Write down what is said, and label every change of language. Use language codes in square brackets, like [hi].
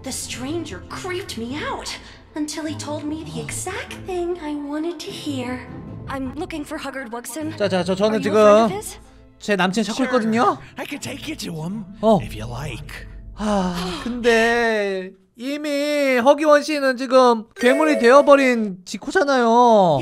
[en] The stranger creeped me out until he told me the exact thing I wanted to hear. I'm looking for Huggard Wugson. [ko] 자, 저는 지금 제 남친 찾고 있거든요. [en] I can take you to him if you like. [ko] 근데 이미 허기원 씨는 지금 괴물이 되어버린 직후잖아요.